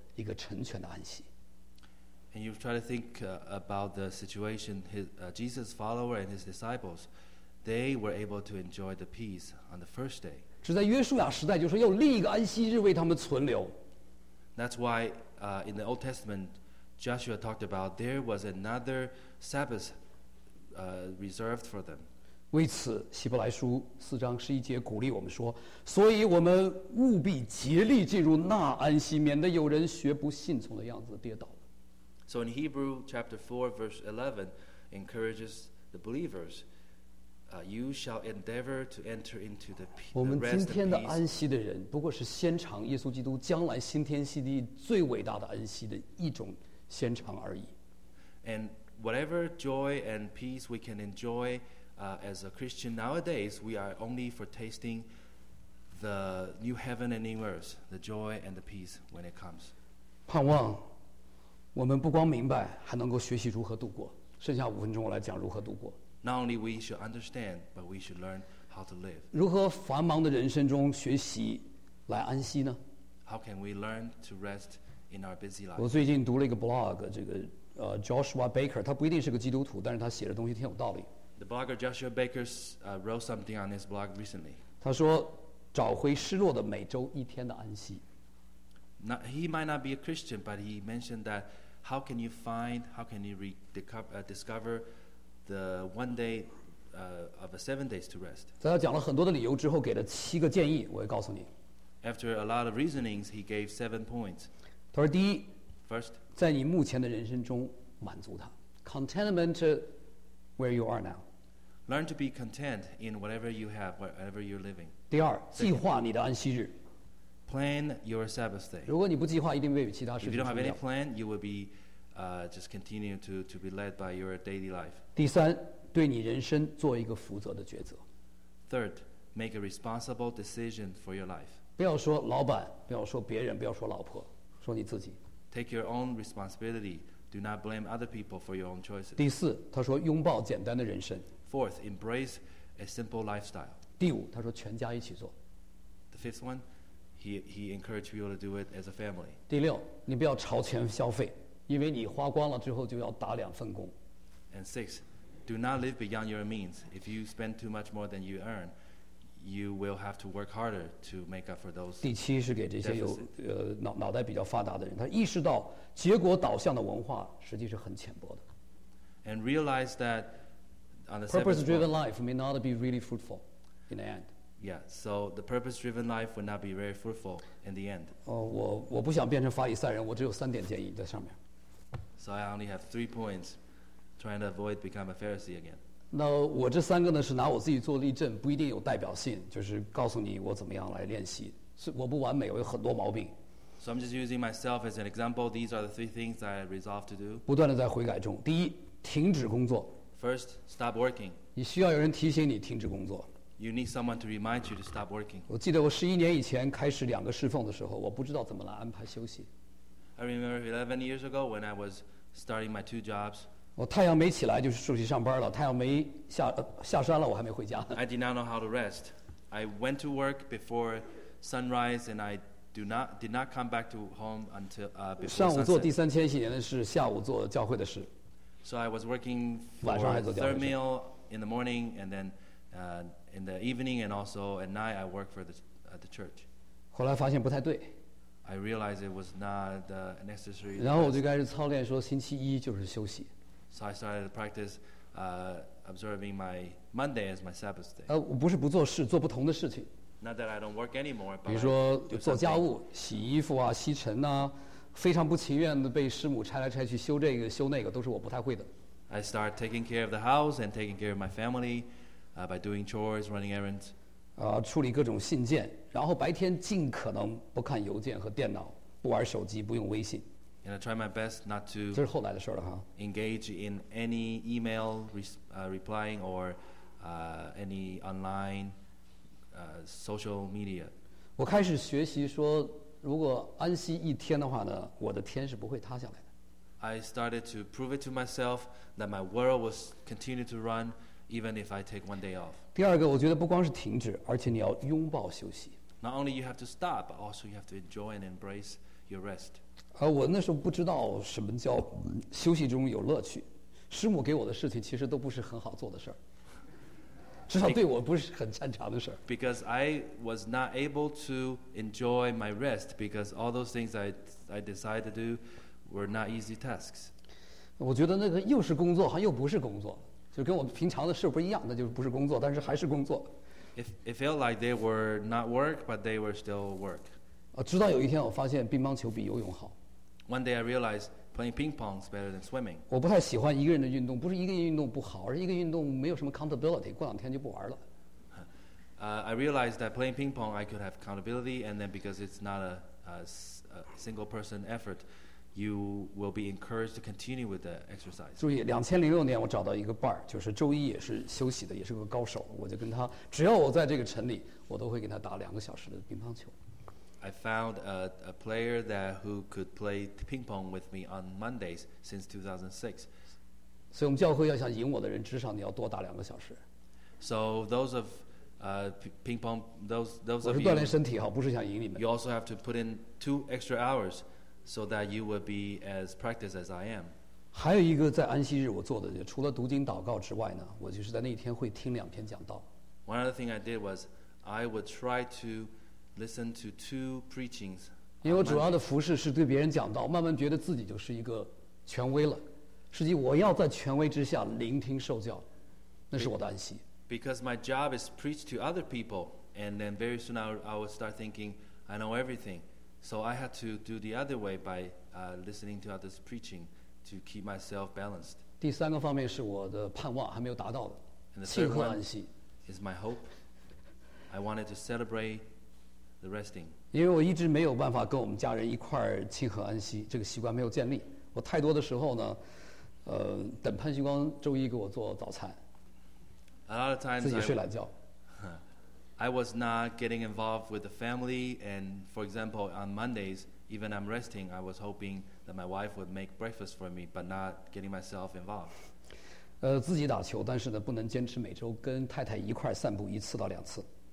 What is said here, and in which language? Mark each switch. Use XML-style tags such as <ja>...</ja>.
<zh>一个成全的安息。</zh> <en>And you try to think about the situation. Jesus' follower and his disciples, they were able to enjoy the peace on the first day.</en> <zh>只在约书亚时代，就说要立一个安息日为他们存留。</zh> <en>That's why, in the Old Testament, Joshua talked about there was another Sabbath, reserved for them.</en> <zh>为此，希伯来书四章十一节鼓励我们说：“所以我们务必竭力进入那安息，免得有人学不信从的样子跌倒。”</zh> <en>So in Hebrew chapter 4 verse 11 encourages the believers, you shall endeavor to enter into the rest of peace.</en> <zh>我们今天的安息的人不过是先尝耶稣基督将来新天新地最伟大的安息的一种先尝而已。</zh> <en>And whatever joy and peace we can enjoy as a Christian nowadays, we are only for tasting the new heaven and new earth, the joy and the peace when it comes.</en> <zh>盼望我们不光明白，还能够学习如何度过。剩下五分钟，我来讲如何度过。</zh> <en>Not only we should understand, but we should learn how to live.</en> <zh>如何繁忙的人生中学习来安息呢</zh> <en>？How can we learn to rest in our busy life?</en> <zh>我最近读了一个 blog， 这个Joshua Baker， 他不一定是个基督徒，但是他写的东西挺有道理。</zh> <en>The blogger Joshua Baker wrote something on his blog recently.</en> <zh>他说：“找回失落的每周一天的安息。”</zh> <en>Not, he might not be a Christian, but he mentioned that how can you find, how can you discover the one day of a 7 days to rest?</en> <zh>在他讲了很多的理由之后，给了七个建议，我也告诉你。</zh> <en>After a lot of reasonings, he gave 7 points.</en> <zh>他说第一</zh> <en>，First，</en> <zh>在你目前的人生中满足他 ，</zh> <en>contentment where you are now. Learn to be content in whatever you have, wherever you're living.</en> <zh>第二，计划你的安息日。</zh> <en>Plan your Sabbath day.</en> <zh>如果你不计划，一定被与其他事。</zh> <en>If you don't have any plan, you will be, just continue to be led by your daily life.</en> <zh>第三，对你人生做一个负责的抉择。</zh> <en>Third, make a responsible decision for your life.</en> <zh>不要说老板，不要说别人，不要说老婆，说你自己。</zh> <en>Take your own responsibility. Do not blame other people for your own choices.</en> <zh>第四，他说拥抱简单的人生。</zh> <en>Fourth, embrace a simple lifestyle.</en> <zh>第五，他说全家一起做。</zh> <en>The fifth one. He encouraged people to do it as a family.</en> <zh>第六，你不要朝钱消费，因为你花光了之后就要打两份工。</zh> <en>And six, do not live beyond your means. If you spend too much more than you earn, you will have to work harder to make up for those.</en> <zh>第七是给这些有脑袋比较发达的人，他意识到结果导向的文化实际是很浅薄的。</zh> <en>And realize that on the purpose-driven life may not be really fruitful in the end. Yeah, so the purpose-driven life will not be very fruitful in the end.</en> <zh>我不想变成法以赛人，我只有三点建议在上面。</zh> <en>So I only have 3 points, trying to avoid become a Pharisee again.</en> <zh>那我这三个呢是拿我自己做例证，不一定有代表性，就是告诉你我怎么样来练习。是我不完美，我有很多毛病。</zh> <en>So I'm just using myself as an example. These are the 3 things I resolve to do.</en> <zh>不断的在悔改中。第一，停止工作。</zh> <en>First, stop working.</en> <zh>你需要有人提醒你停止工作。</zh> <en>You need someone to remind you to stop working.</en> <zh>我记得我十一年以前开始两个侍奉的时候，我不知道怎么来安排休息。</zh> <en>I remember 11 years ago when I was starting my 2 jobs.</en> <zh>我太阳没起来就出去上班了，太阳没下山了，我还没回家。</zh> <en>I did not know how to rest. I went to work before sunrise, and I did not come back to home until before sunset.</en> <zh>上午做第三千禧年的事，下午做教会的事。</zh> <en>So I was working for the third meal in the morning, and then. In the evening and also at night, I work for the church.</en> <zh>后来发现不太对。</zh> <en>I realized it was not necessary.</en> <zh>然后我就开始操练，说星期一就是休息。</zh> <en>So I started to practice observing my Monday as my Sabbath day.</en> <zh>我不是不做事，做不同的事情。</zh> <en>Not that I don't work anymore, but</en> <zh>比如说做家务、洗衣服啊、吸尘啊，非常不情愿的被师母拆来拆去，修这个修那个，都是我不太会的。</zh> <en>I start taking care of the house and taking care of my family. By doing chores, running errands,</en> <zh>处理各种信件，然后白天尽可能不看邮件和电脑，不玩手机，不用微信。</zh> <en>And I try my best not to.</en> <zh>这是后来的事了哈。</zh> <en>Engage in any email replying or any online social media.</en> <zh>我开始学习说，如果安息一天的话呢，我的天是不会塌下来的。</zh> <en>I started to prove it to myself that my world was continue to run. Even if I take 1 day off.</en> <zh>第二个，我觉得不光是停止，而且你要拥抱休息。</zh> <en>Not only you have to stop, but also you have to enjoy and embrace your rest.</en> <zh>我那时候不知道什么叫休息中有乐趣，师母给我的事情其实都不是很好做的事儿，至少对我不是很擅长的事儿。</zh> <en>Because I was not able to enjoy my rest because all those things I decided to do were not easy tasks.</en> <zh>我觉得那个又是工作，又不是工作，就跟我平常的事不一样，那就不是工作，但是还是工作。</zh> <en>It felt like they were not work, but they were still work.</en> <zh>直到有一天我发现乒乓球比游泳好。</zh> <en>One day I realized playing ping pong is better than swimming.</en> <zh>我不太喜欢一个人的运动，不是一个人运动不好，而是一个运动没有什么 accountability, 过两天就不玩了。</zh> <en>I realized that playing ping pong I could have accountability, and then because it's not a single person effort, you will be encouraged to continue with the exercise.</en> <zh>注意2006年我找到一个伴儿，就是周一也是休息的，也是个高手，我就跟他，只要我在这个城里，我都会给他打两个小时的乒乓球。</zh> <en>I found a player that who could play ping pong with me on Mondays since 2006.</en> <zh>所以我们教会要想赢我的人，至少你要多打两个小时。</zh> <en>So those of ping pong, those of you,</en> <zh>我是锻炼身体哈，不是想赢你们。</zh> <en>You also have to put in 2 extra hours so that you will be as practiced as I am.</en> <zh>还有一个在安息日我做的，除了读经祷告之外呢，我就是在那一天会听两篇讲道。</zh> <en>One other thing I did was I would try to listen to 2 preachings.</en> <zh>因为我主要的服事是对别人讲道，慢慢觉得自己就是一个权威了。实际我要在权威之下聆听受教，那是我的安息。</zh> <en>Because my job is preach to other people, and then very soon I will start thinking I know everything. So I had to do the other way by listening to others preaching to keep myself balanced.</en> <zh>第三个方面是我的盼望还没有达到的，庆贺安息。</zh> <en>Is my hope. I wanted to celebrate. The resting.</en> <zh>因为我一直没有办法跟我们家人一块儿庆贺安息，这个习惯没有建立。我太多的时候呢，等潘旭光周一给我做早餐。</zh> <en>A lot of times</en> <zh>自己睡懒觉。</zh> <en>I was not getting involved with the family, and for example, on Mondays, even I'm resting, I was hoping that my wife would make breakfast for me, but not getting myself involved.</en> <zh>自己打球，但是呢，不能坚持每周跟太太一块儿散步一次到两次。</zh>